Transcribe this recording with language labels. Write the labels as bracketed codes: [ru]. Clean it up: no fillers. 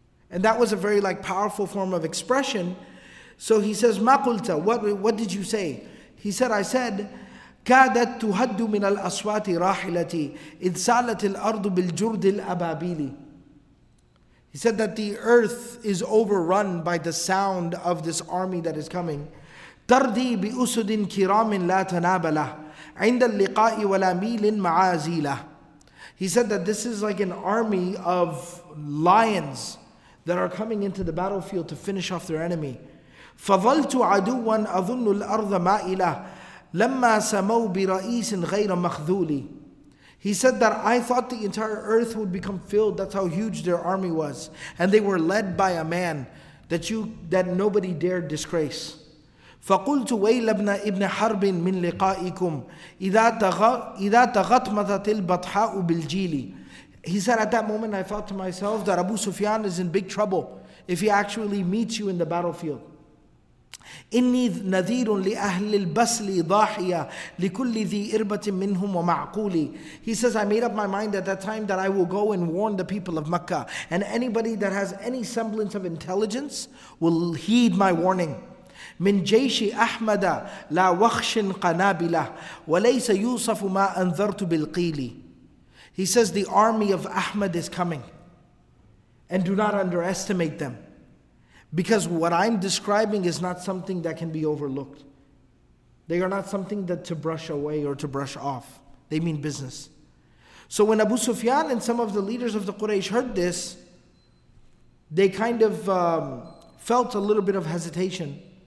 [en] And that was a very like powerful form of expression. So he says, [ar] مَا قُلْتَ. [en] What did you say? He said, I said, [ar] كَادَتْ تُهَدُّ مِنَ الْأَصْوَاتِ رَاحِلَتِي إِذْ سَالَتِ الْأَرْضُ بِالْجُرْدِ الْأَبَابِيلِ. [en] He said that the earth is overrun by the sound of this army that is coming. [ar] تَرْدِي بِأُسُدٍ كِرَامٍ لَا تَنَابَلَهُ عِنْدَ اللِّقَاءِ وَلَا مِيلٍ مَعَازِيلَهُ. [en] He said that this is like an army of lions that are coming into the battlefield to finish off their enemy. [ar] فَظَلْتُ عَدُوًا أَظُنُّ الْأَرْضَ مَائِلَهُ لَمَّا سَمَوْ بِرَئِيسٍ غَيْرَ مَخْذُولِ. [en] He said that I thought the entire earth would become filled. That's how huge their army was. And they were led by a man that nobody dared disgrace. [ar] فَقُلْتُ وَيْلَبْنَا إِبْنَ حَرْبٍ مِنْ لِقَائِكُمْ إِذَا تَغَطْمَتَتِ الْبَطْحَاءُ بِالْجِيلِ. [en] He said at that moment I thought to myself that Abu Sufyan is in big trouble if he actually meets you in the battlefield. [ar] إني نذير لأهل البصل ضاحية لكل ذي إربة منهم ومعقولي. [en] He says, I made up my mind at that time that I will go and warn the people of Mecca, and anybody that has any semblance of intelligence will heed my warning. [ar] من جيش أحمد لا وخش قنابلة وليس يوصف ما أنذرت بالقيل. [en] He says, the army of Ahmad is coming, and do not underestimate them, because what I'm describing is not something that can be overlooked. They are not something that to brush away or to brush off. They mean business. So when Abu Sufyan and some of the leaders of the Quraysh heard this, they kind of felt a little bit of hesitation.